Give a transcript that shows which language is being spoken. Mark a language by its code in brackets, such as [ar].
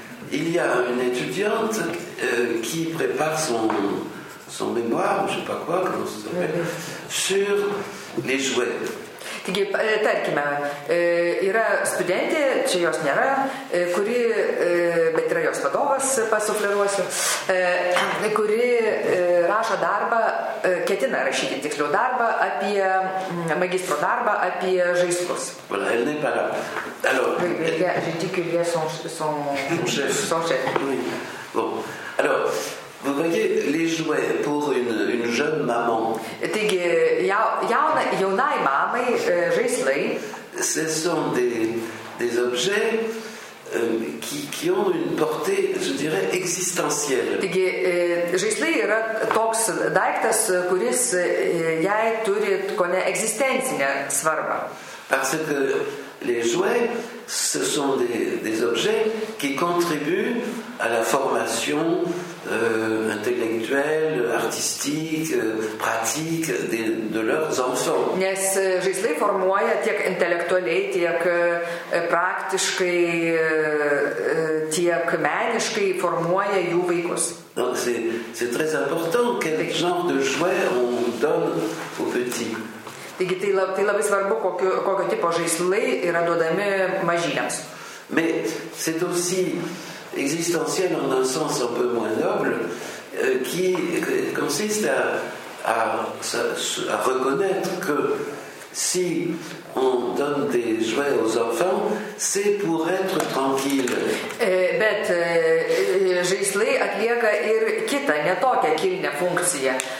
[fr] Il y a une étudiante qui prépare son mémoire, ou je sais pas quoi, comment ça s'appelle, sur les jouets. [lt] Taigi, tarkime, yra studentė, čia jos nėra, kuri, bet yra jos vadovas, pasufliruosiu, kuri rašo darbą, ketina rašyti tiksliau darbą apie magistro darbą, apie žaislus. [fr] Voilà, elle n'est pas là. Alors, j'ai dit qu'il y a son chef. Oui. Bon. Alors, vous voyez, les jouets pour une jeune maman. [lt] Taigi, jaunai mamai žaislai. [fr] Ce sont des objets qui ont une portée, je dirais, existentielle. [lt] Taigi, žaislai yra toks daiktas, kuris jai turi kone egzistencinę svarbą. [fr] Parce que les jouets, ce sont des objets qui contribuent à la formation intellectuelle, artistique, pratique de leurs enfants. [lt] Nes žaislai formuoja tiek intelektualiai, tiek praktiškai, tiek meniškai formuoja jų vaikus. [fr] Donc c'est très important quel genre de jouets on donne aux petits. [lt] Taigi tai labai svarbu, kokio tipo žaislai yra duodami mažyliams. [fr] Mais c'est aussi existentiel en un sens un peu moins noble qui consiste à reconnaître que si on donne des jouets aux enfants, c'est pour être tranquille. [lt] Bet žaislai atlieka ir kitą, ne tokią kilnią funkciją.